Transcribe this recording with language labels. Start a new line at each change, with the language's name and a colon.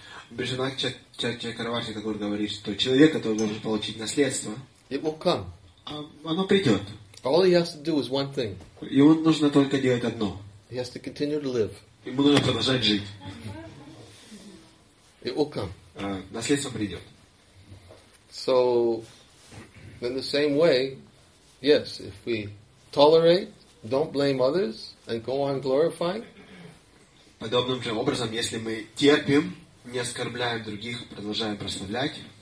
Russian: Бриджанак Чакчакарвати Такур говорит, что человек, который должен получить наследство,
English: it will come.
Russian: Оно придет.
English: All he has to do is one thing.
Russian: Ему нужно только делать одно.
English: He has to continue to live.
Russian: Ему нужно продолжать жить.
English: It will come.
Russian: Наследство придет.
English: So, in the same way, yes, if we tolerate, don't blame others, and go on glorifying,
Russian: подобным же образом, если мы терпим, не оскорбляем других, продолжаем прославлять.